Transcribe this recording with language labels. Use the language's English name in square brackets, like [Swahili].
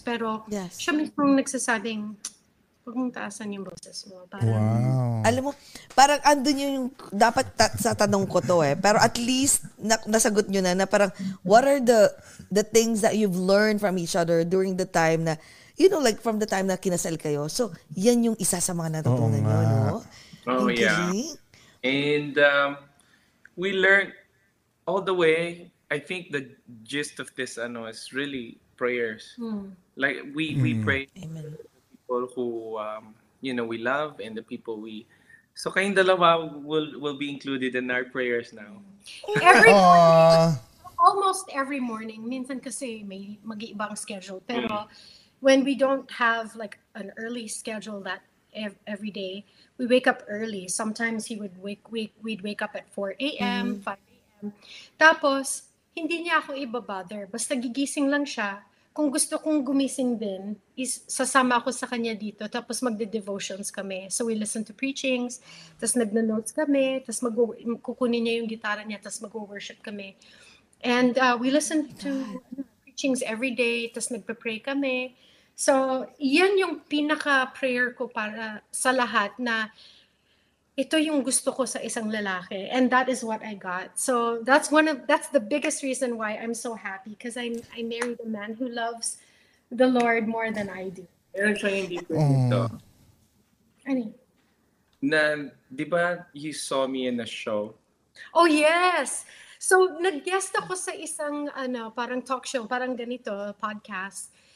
[Filipino] Pero yes, siya mismo nagsasabing, huwag mong taasan yung boses mo. Parang, wow. Alam mo, parang andun yung dapat sa tanong ko to eh. Pero at least nasagot nyo na parang [English] what are the things that you've learned from each other during the time na, you know, like from the time [Filipino] na kinasal kayo. So, yan yung isa sa mga natutunan nyo, no? [English] Oh, yeah. And we learned all the way. I think the gist of this is really prayers. Hmm. Like we pray. Amen. The people who we love and the people we, [Filipino] so kayong dalawa [English] will be included in our prayers now. Every morning, almost every morning, [Filipino] minsan kasi may mag-iibang schedule, pero [English] when we don't have like an early schedule that every day, we wake up early. Sometimes he would we'd wake up at 4 a.m., 5 a.m. [Filipino] Tapos, hindi niya ako ibabother. Basta gigising lang siya. Kung gusto kong gumising din, sasama ako sa kanya dito. Tapos magde-devotions kami. [English] So we listen to preachings. [Filipino] Tapos nagna-notes kami. Tapos kukunin niya yung gitara niya. Tapos mag-worship kami. [English] And we listen to preachings every day. [Filipino] Tapos nagpa-pray kami. So, yan yung pinaka-prayer ko para sa lahat na ito yung gusto ko sa isang lalaki. [English] And that is what I got. So, that's the biggest reason why I'm so happy because I married a man who loves the Lord more than I do. [Filipino] Pero siya hindi ko dito. Ani? [English] Na [Filipino] Di ba [English] you saw me in a show? Oh, yes. [Filipino] So, nag-guest ako sa isang, ano, parang talk show, parang ganito, podcast.